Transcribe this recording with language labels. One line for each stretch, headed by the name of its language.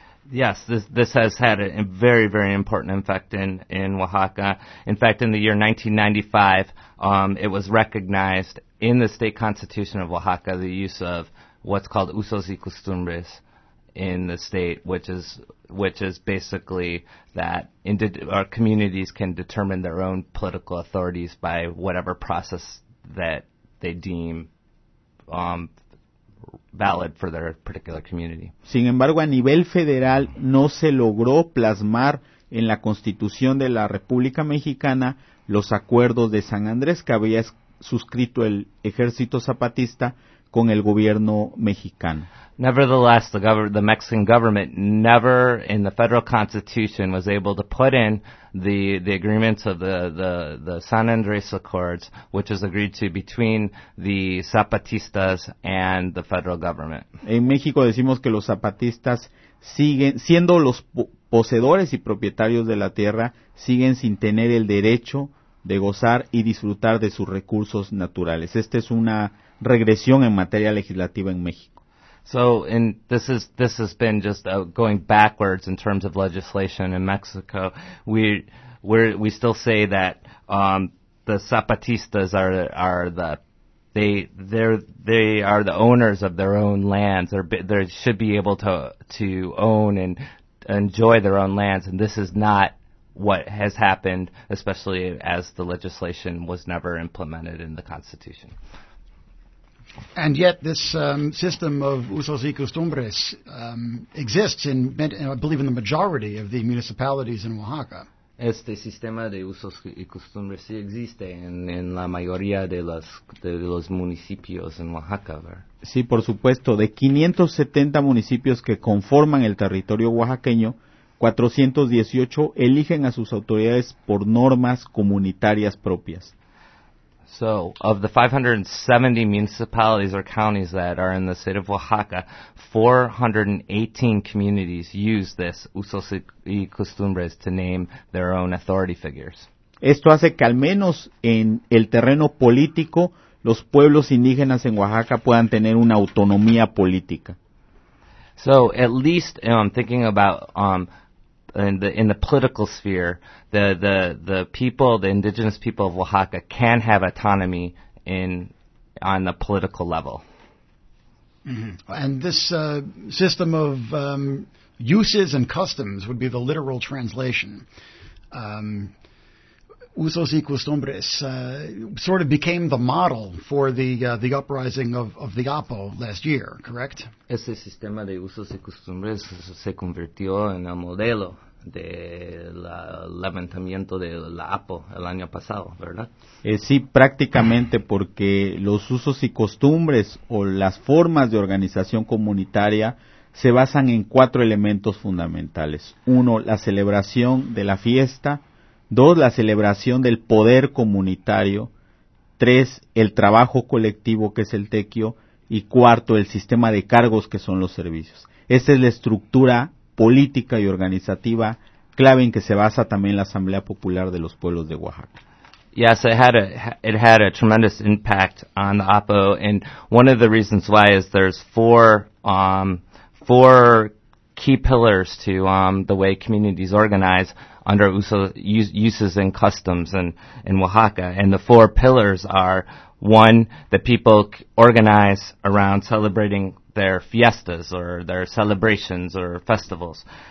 English: Yes, this has had a very, very important effect in Oaxaca. In fact, in the year 1995, it was recognized in the state constitution of Oaxaca the use of what's called usos y costumbres in the state, which is basically that our communities can determine their own political authorities by whatever process that they deem valid for their particular community.
Spanish: Sin embargo, a nivel federal no se logró plasmar en la Constitución de la República Mexicana los acuerdos de San Andrés que había suscrito el Ejército Zapatista con el gobierno mexicano.
English: Nevertheless, the Mexican government never in the federal constitution was able to put in the agreements of the San Andrés Accords, which was agreed to between the Zapatistas and the federal government.
Spanish: En México decimos que los Zapatistas siguen siendo los poseedores y propietarios de la tierra, siguen sin tener el derecho de gozar y disfrutar de sus recursos naturales. Esta es una regresión en materia legislativa en México.
English: So, and this has been just going backwards in terms of legislation in Mexico. We still say that the Zapatistas are the owners of their own lands. They should be able to own and enjoy their own lands. And this is not what has happened, especially as the legislation was never implemented in the Constitution. And yet this system of usos y costumbres exists I believe, in the majority of the municipalities in Oaxaca.
Spanish: Este sistema de usos y costumbres sí existe en la mayoría de los municipios en Oaxaca, ¿verdad? Sí, por supuesto. De 570 municipios que conforman el territorio oaxaqueño, 418 eligen a sus autoridades por normas comunitarias propias.
English: So, of the 570 municipalities or counties that are in the state of Oaxaca, 418 communities use this usos y costumbres to name their own authority figures.
Spanish: Esto hace que al menos en el terreno político, los pueblos indígenas en Oaxaca puedan tener una autonomía política.
English: So, at least, I'm thinking about... In the political sphere, the people, the indigenous people of Oaxaca, can have autonomy on the political level. Mm-hmm. And this system of uses and customs would be the literal translation. Usos y costumbres sort of became the model for the uprising of the Apo last year, correct?
Spanish: Ese sistema de usos y costumbres se convirtió en el modelo de la levantamiento de la Apo el año pasado, ¿verdad? Sí, prácticamente, porque los usos y costumbres o las formas de organización comunitaria se basan en cuatro elementos fundamentales. Uno, la celebración de la fiesta. Dos, la celebración del poder comunitario. Tres, el trabajo colectivo, que es el tequio. Y cuarto, el sistema de cargos, que son los servicios. Esta es la estructura política y organizativa clave en que se basa también la Asamblea Popular de los Pueblos de Oaxaca.
English: Yes, it had a tremendous impact on the APO, and one of the reasons why is there's four key pillars to the way communities organize under uses and customs in Oaxaca, and the four pillars are: one, the people organize around celebrating their fiestas or their celebrations or festivals.